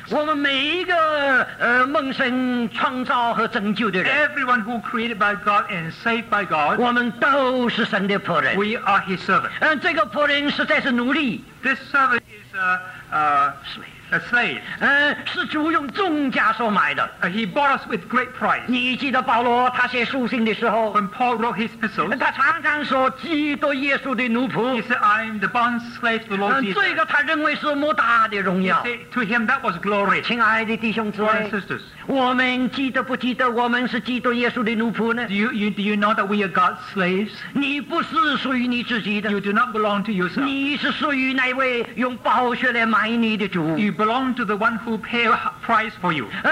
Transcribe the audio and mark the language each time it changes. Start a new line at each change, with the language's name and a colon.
Chinese: 我们每一个蒙神创造和拯救的人
English: ，Everyone who created by God and saved by God，
Chinese: 我们都是神的仆人。
English: We are His servants。
Chinese: 这个仆人实在是奴隶。
English: This servant is a slave，
Chinese: 是主用重价所买的。
English: He bought us with great price。
Chinese: 你记得保罗他写书信的时候
English: ，When Paul wrote his epistles，
Chinese: 他常常说基督耶稣的奴仆。
English: He said I'm the bond slave to the Lord Jesus。
Chinese: 这个他认为是莫大的荣耀。
English: He said, to him that was glory。
Chinese: 亲爱的弟兄姊妹
English: ，Brothers and sisters，
Chinese: 我们记得不记得我们是基督耶稣的奴仆呢
English: ？Do you know that we are God's slaves？
Chinese: 你不是属于你自己的。
English: You do not belong to yourself。
Chinese: 你是属于那位用宝血来买你的主。
English: Belong to the one who paid price for you.